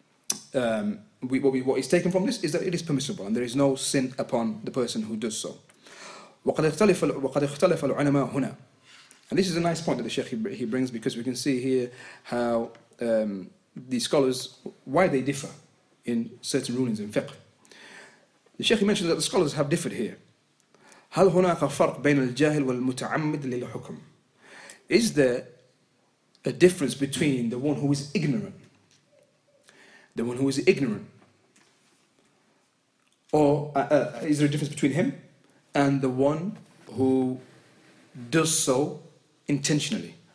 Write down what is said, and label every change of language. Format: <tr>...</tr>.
<en>What is taken from this is that it is permissible and there is no sin upon the person who does so. And this is a nice point that the Sheikh he brings, because we can see here how the scholars, why they differ in certain rulings in fiqh. The Sheikh mentions that the scholars have differed here.</en> <ar>هل هناك فرق بين الجاهل والمتعمد للحكم?</ar> <en>Is there a difference between the one who is ignorant, the one who is ignorant, or is there a difference between him and the one who does so intentionally?</en>